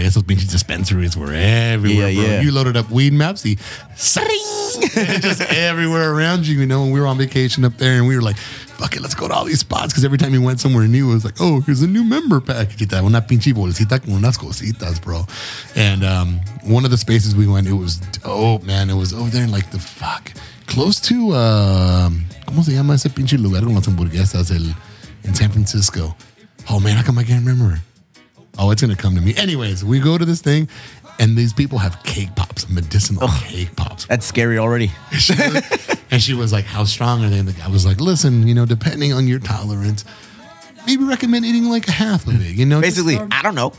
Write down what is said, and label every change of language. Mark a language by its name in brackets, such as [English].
[English] Like, those big dispensaries were everywhere, yeah, bro. Yeah. You loaded up weed maps, just everywhere around you, you know. And we were on vacation up there, and we were like, fuck it, let's go to all these spots. Because every time we went somewhere new, it was like, oh, here's a new member package. [Spanish] Una pinche bolsita con unas cositas, [English] bro. And one of the spaces we went, it was dope, man. It was over there in like the fuck. Close to, [Spanish] ¿cómo se llama ese pinche lugar con las hamburguesas in San Francisco? [English] Oh, man, how come I can't remember? Oh, it's going to come to me. Anyways, we go to this thing, and these people have cake pops, medicinal cake pops. That's scary already. And she was like, how strong are they? And the guy was like, listen, you know, depending on your tolerance, maybe recommend eating like a half of it, you know? Basically, I don't know.